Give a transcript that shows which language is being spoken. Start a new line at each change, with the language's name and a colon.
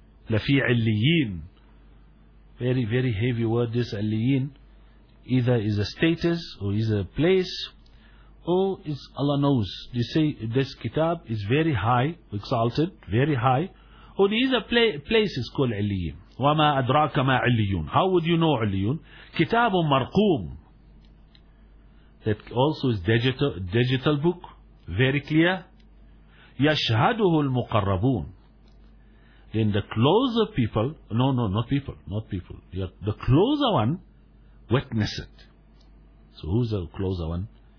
English: Lafi aliyin. Very, very heavy word this aliyin. Either is a status or is a place. Oh, it's Allah knows. They say this kitab is very high, exalted, very high. Oh, these are places called Aliyyun.
Arabic: وَمَا أَدْرَاكَ مَا عِلِّيُّونَ.
English: How would you know Aliyyun?
Arabic: كِتَابٌ مَرْقُومٌ.
English: that also is digital book, very clear.
Arabic: يشهده المقربون.
English: Then the closer people, not people. The closer one witness it. So who's the closer one?